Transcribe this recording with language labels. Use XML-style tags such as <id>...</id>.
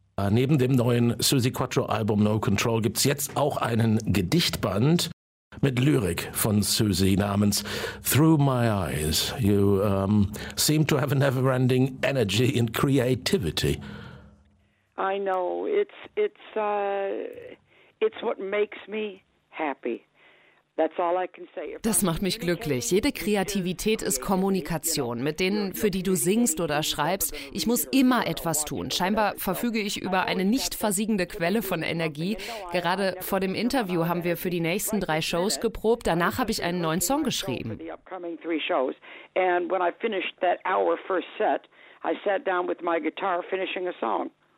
<de>Neben dem neuen Susi Quattro-Album No Control gibt es jetzt auch einen Gedichtband mit Lyrik von Susi namens Through My Eyes.</de> <en>You seem to have a never-ending energy and creativity. I know. It's what makes me happy. That's all I can say.</en> <de>Das macht mich glücklich. Jede Kreativität ist Kommunikation mit denen, für die du singst oder schreibst. Ich muss immer etwas tun. Scheinbar verfüge ich über eine nicht versiegende Quelle von Energie. Gerade vor dem Interview haben wir für die nächsten drei Shows geprobt. Danach habe ich einen neuen Song geschrieben.</de> <en>And when I finished that hour first set, I sat down with my guitar finishing a song.</en>